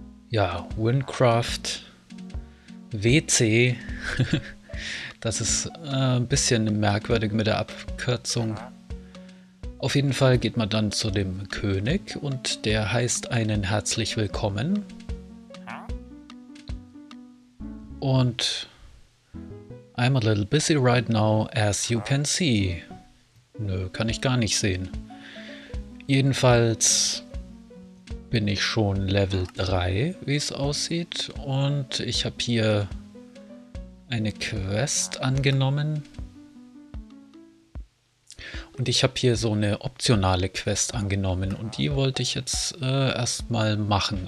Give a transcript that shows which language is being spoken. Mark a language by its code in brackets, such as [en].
[de] Ja, Wincraft, WC, das ist ein bisschen merkwürdig mit der Abkürzung. Auf jeden Fall geht man dann zu dem König und der heißt einen herzlich willkommen. [en] Und I'm a little busy right now, as you can see. [de] Nö, kann ich gar nicht sehen. Jedenfalls bin ich schon Level 3, wie es aussieht. Und ich habe hier eine Quest angenommen. Und ich habe hier so eine optionale Quest angenommen. Und die wollte ich jetzt erstmal machen.